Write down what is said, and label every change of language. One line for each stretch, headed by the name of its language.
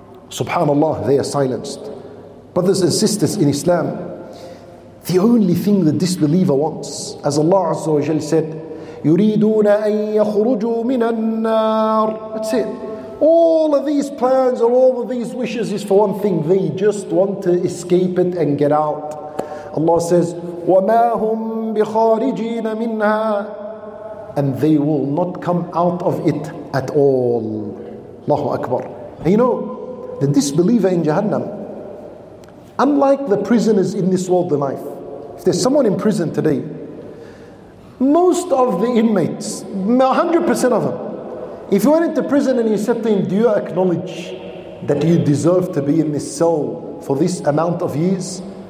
English: Subhanallah, they are silenced. Brothers and sisters in Islam, the only thing the disbeliever wants, as Allah Azza wa Jal said,
Arabic: يُرِيدُونَ أَن يَخْرُجُوا مِنَ النَّارِ.
English: That's it. All of these plans or all of these wishes is for one thing. They just want to escape it and get out. Allah says,
Arabic: وَمَا هُمْ بِخَارِجِينَ مِنْهَا.
English: And they will not come out of it at all. Allahu Akbar. And you know, the disbeliever in Jahannam, unlike the prisoners in this world of life, if there's someone in prison today, most of the inmates, 100% of them, if you went into prison and you said to him, do you acknowledge that you deserve to be in this cell for this amount of years?